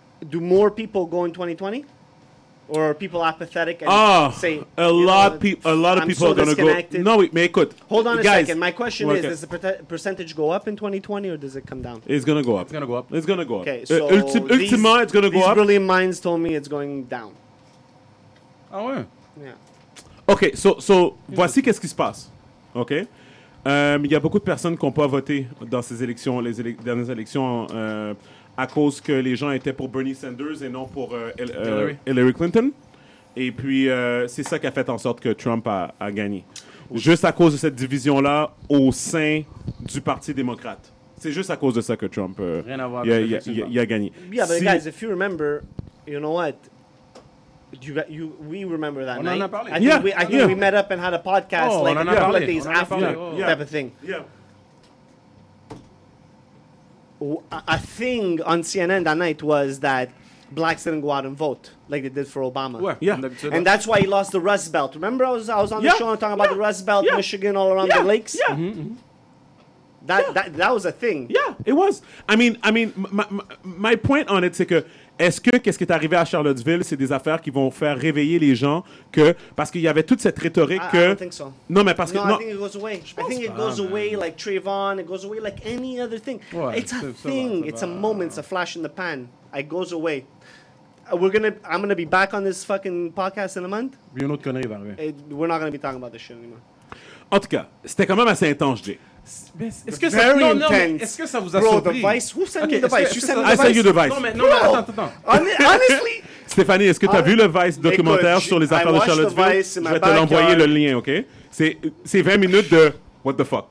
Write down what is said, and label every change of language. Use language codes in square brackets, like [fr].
[en] Do more people go in 2020? Or are people apathetic and say... A lot of people are going to go... No, wait, [fr] mais écoute. [en] Hold on guys, a second. My question is, does the percentage go up in 2020 or does it come down? It's going to go up. Okay, so... Ultimately, it's going to go up. These brilliant minds told me it's going down. [fr] Ah ouais? [en] Yeah. [fr] Okay, so voici qu'est-ce qui se passe. Okay? Il y a beaucoup de personnes qui n'ont pas voté dans ces élections, les dernières élections... à cause que les gens étaient pour Bernie Sanders et non pour Hillary Clinton. Et puis, c'est ça qui a fait en sorte que Trump a gagné. Juste à cause de cette division-là au sein du Parti démocrate. C'est juste à cause de ça que Trump a gagné. [en] Yeah, but guys, if you remember, you know what? We remember that night. [fr] On en a parlé. [en] I think we met up and had a podcast a couple of days after, type of thing. Yeah. A thing on CNN that night was that blacks didn't go out and vote like they did for Obama. Where? Yeah. And that's why he lost the Rust Belt. Remember I was on the show and talking about the Rust Belt, Michigan, all around the lakes? Yeah. That was a thing. Yeah, it was. I mean, my point on it, [fr] c'est que qu'est-ce qui est arrivé à Charlottesville, c'est des affaires qui vont faire réveiller les gens que parce qu'il y avait toute cette rhétorique que... [en] I don't think so. I think it goes away. I think it goes away like Trayvon. It goes away like any other thing. [fr] Ouais, [en] it's a thing. It's a moment. It's a flash in the pan. It goes away. I'm gonna be back on this fucking podcast in a month. [fr] Une autre connerie va arriver. [en] We're not gonna be talking about this shit anymore. [fr] En tout cas, c'était quand même assez intense, Jay. Est-ce que ça vous a surpris? [en] Honestly, [fr] Stéphanie, est-ce que tu as vu le Vice documentaire sur les affaires de Charlottesville? Je vais te l'envoyer le lien, ok? C'est 20 minutes de [en] what the fuck.